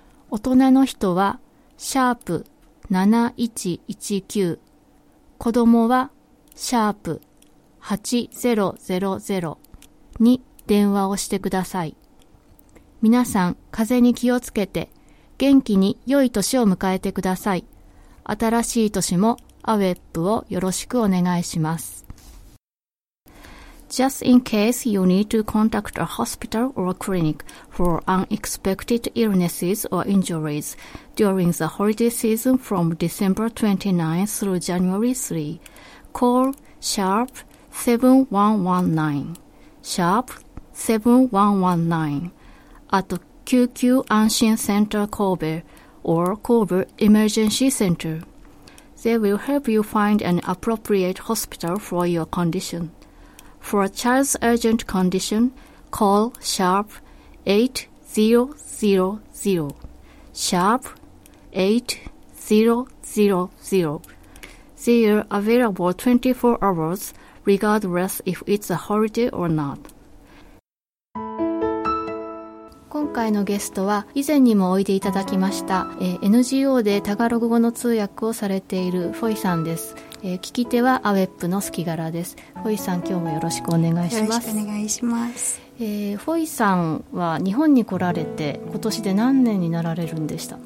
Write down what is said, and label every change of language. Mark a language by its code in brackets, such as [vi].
[ja] 大人の人は、シャープ7119、子どもは、シャープ8000に電話をしてください。皆さん、風邪に気をつけて、元気に良い年を迎えてください。新しい年もアウェップをよろしくお願いします。 [en] Just in case you need to contact a hospital or a clinic for unexpected illnesses or injuries during the holiday season from December 29 through January 3, call sharp 7119, sharp 7119. At 救急安心センター Kobe or Kobe Emergency Center. They will help you find an appropriate hospital for your condition. For a child's urgent condition, call sharp 8000, sharp 8000. They are available 24 hours regardless if it's a holiday or not. [ja] 今回のゲストは以前にもおいでいただきました、NGO でタガログ語の通訳をされているフォイさんです、聞き手はアウェップの好き柄です。フォイさん、今日もよろしくお願いします。よろしくお願いします。フォイさんは日本に来られて今年で何年になられるんでした？